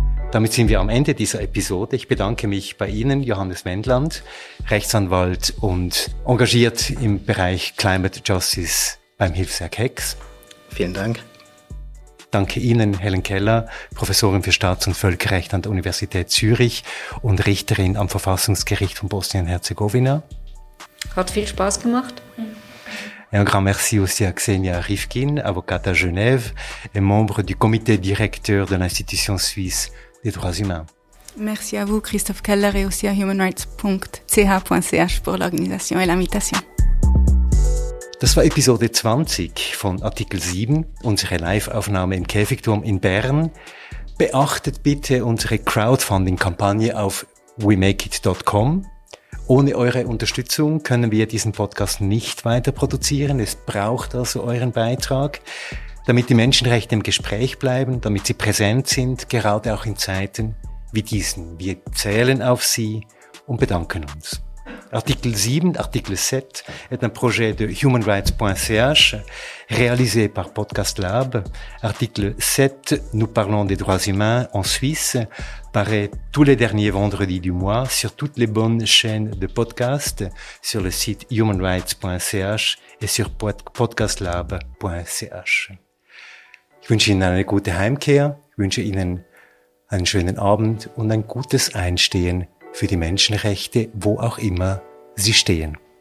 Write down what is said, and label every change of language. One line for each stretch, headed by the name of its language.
German: Damit sind wir am Ende dieser Episode. Ich bedanke mich bei Ihnen, Johannes Wendland, Rechtsanwalt und engagiert im Bereich Climate Justice beim Hilfswerk HEX. Vielen Dank. Danke Ihnen, Helen Keller, Professorin für Staats- und Völkerrecht an der Universität Zürich und Richterin am Verfassungsgericht von Bosnien-Herzegowina. Hat viel Spaß gemacht.
French: Un grand merci aussi à Xenia Rifkin, avocate à Genève et membre du comité directeur de l'institution suisse des droits humains. Merci à vous, Christophe Keller, et aussi à humanrights.ch pour l'organisation et l'invitation.
German: Das war Episode 20 von Artikel 7, unsere Live-Aufnahme im Käfigturm in Bern. Beachtet bitte unsere Crowdfunding-Kampagne auf wemakeit.com. Ohne eure Unterstützung können wir diesen Podcast nicht weiter produzieren. Es braucht also euren Beitrag, damit die Menschenrechte im Gespräch bleiben, damit sie präsent sind, gerade auch in Zeiten wie diesen. Wir zählen auf sie und bedanken uns.
French: Artikel 7, Artikel 7 est un projet de humanrights.ch réalisé par Podcast Lab. Article 7, nous parlons des droits humains en Suisse, paraît tous les derniers vendredis du mois sur toutes les bonnes chaînes de podcast, sur le site humanrights.ch et sur podcastlab.ch.
German: Ich wünsche Ihnen eine gute Heimkehr, ich wünsche Ihnen einen schönen Abend und ein gutes Einstehen für die Menschenrechte, wo auch immer sie stehen.